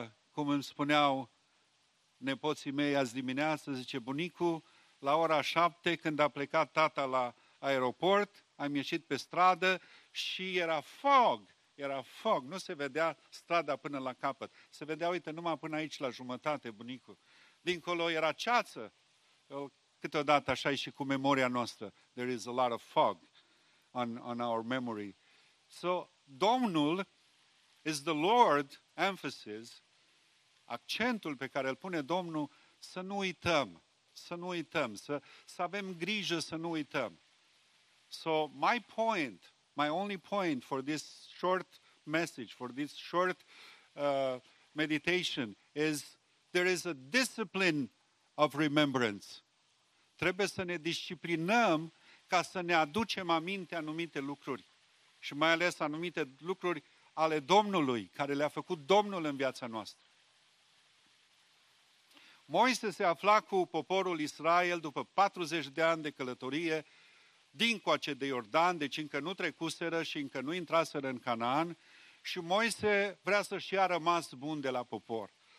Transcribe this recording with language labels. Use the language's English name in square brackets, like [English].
[Romanian] cum îmi spuneau nepoții mei azi dimineață, zice bunicu, la ora 7, când a plecat tata la aeroport, am ieșit pe stradă și era fog, nu se vedea strada până la capăt. Se vedea, uite, numai până aici, la jumătate, bunicul. Dincolo era ceață. Câteodată așa e și cu memoria noastră. [English] There is a lot of fog on our memory. [Romanian] So, Domnul [English] is the Lord, emphasis, [Romanian] accentul pe care îl pune Domnul, să nu uităm. Să nu uităm, să avem grijă să nu uităm. [English] So, my only point for this short message, for this short meditation, is there is a discipline of remembrance. [Romanian] Trebuie să ne disciplinăm ca să ne aducem aminte anumite lucruri. Și mai ales anumite lucruri ale Domnului, care le-a făcut Domnul în viața noastră. Moise se afla cu poporul Israel după 40 de ani de călătorie dincoace de Iordan, deci încă nu trecuseră și încă nu intraseră în Canaan și Moise vrea să-și ia rămas bun de la popor.